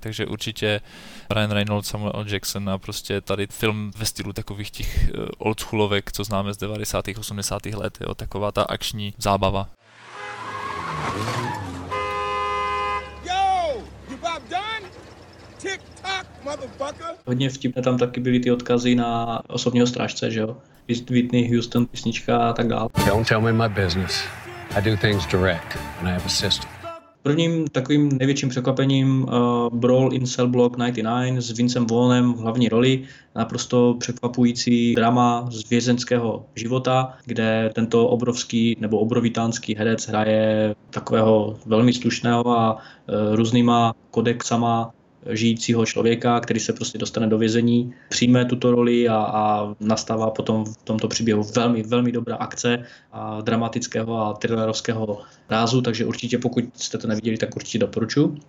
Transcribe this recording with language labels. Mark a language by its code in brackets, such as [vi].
[cs] Takže určitě Ryan Reynolds, Samuel Jackson a prostě tady film ve stylu takových těch oldschoolovek, co známe z 90. 80. let, jo, taková ta akční zábava. Hodně vtipné tam taky byly ty odkazy na osobního strážce, že jo? Whitney Houston, písnička a tak dál. [en] Don't tell me my business. I do things direct and I have a system. [cs] Prvním takovým největším překvapením Brawl in Cell Block 99 s Vincem Vaughnem v hlavní roli. Naprosto překvapující drama z vězenského života, kde tento obrovský nebo obrovitánský herec hraje takového velmi slušného a různýma kodexama žijícího člověka, který se prostě dostane do vězení, přijme tuto roli a nastává potom v tomto příběhu velmi, velmi dobrá akce a dramatického a thrillerovského rázu, takže určitě pokud jste to neviděli, tak určitě doporučuji.